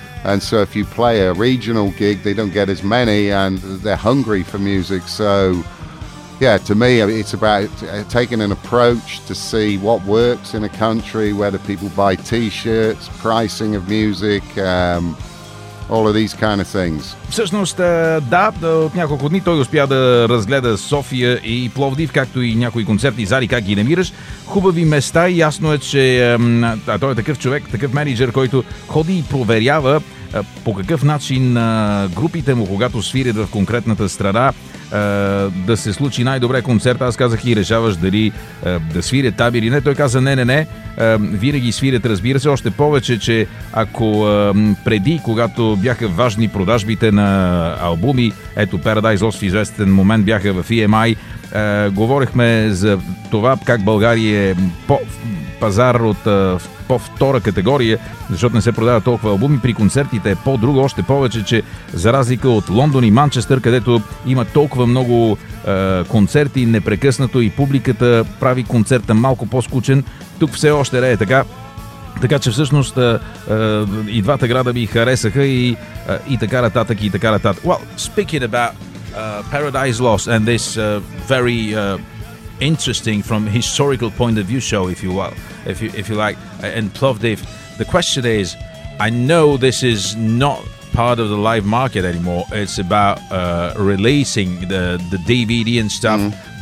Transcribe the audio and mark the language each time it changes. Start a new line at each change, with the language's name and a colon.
English: And so if you play a regional gig, they don't get as many and they're hungry for music. So yeah, to me, it's about taking an approach to see what works in a country, whether people buy t-shirts, pricing of music, all of these kind of things.
Bulgarian: Всъщност, да, от няколко дни той успя да разгледа София и Пловдив, както и някои концерти, зали, как ги намираш. Хубави места, ясно е, че той е такъв човек, такъв менеджер, който ходи и проверява по какъв начин групите му, когато свирят в конкретната страна, да се случи най-добре концерт. Аз казах и решаваш дали да свирят там или не. Той каза не, винаги свирят, разбира се. Още повече, че ако преди, когато бяха важни продажбите на албуми, ето Paradise Lost в известен момент бяха в EMI, говорихме за това как България е пазар от по-втора категория, защото не се продава толкова албуми, при концертите е по-друго, още повече, че за разлика от Лондон и Манчестър, където има толкова много концерти непрекъснато и публиката прави концерта малко по-скучен, тук все още рее така. Така че всъщност и двата града ми харесаха и така нататък.
English: Well, speaking about Paradise Lost and this very interesting from historical point of view show, if you like, and Plovdiv, the question is, I know this is not part of the live market anymore, it's about releasing the DVD and stuff, mm-hmm.